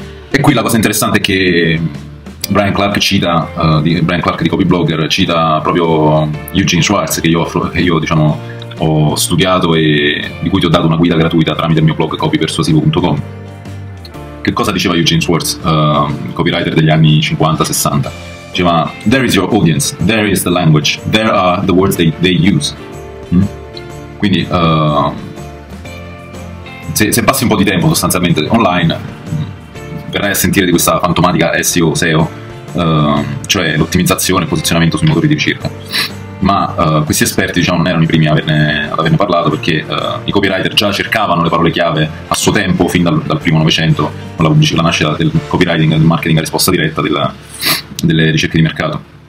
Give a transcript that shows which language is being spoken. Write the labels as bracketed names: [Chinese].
[Italian] E qui la cosa interessante è che Brian Clark cita, Brian Clark di Copyblogger, cita proprio Eugene Schwartz, che io ho studiato e di cui ti ho dato una guida gratuita tramite il mio blog copypersuasivo.com. Che cosa diceva Eugene Schwartz, copywriter degli anni 50-60? [English] Diceva, there is your audience, there is the language, there are the words they use. [Italian] Quindi, se passi un po' di tempo sostanzialmente online, verrai a sentire di questa fantomatica SEO, SEO, cioè l'ottimizzazione e posizionamento sui motori di ricerca. ma questi esperti, diciamo, non erano i primi ad averne parlato, perché i copywriter già cercavano le parole chiave a suo tempo, fin dal primo Novecento, con la nascita del copywriting, del marketing a risposta diretta, delle ricerche di mercato.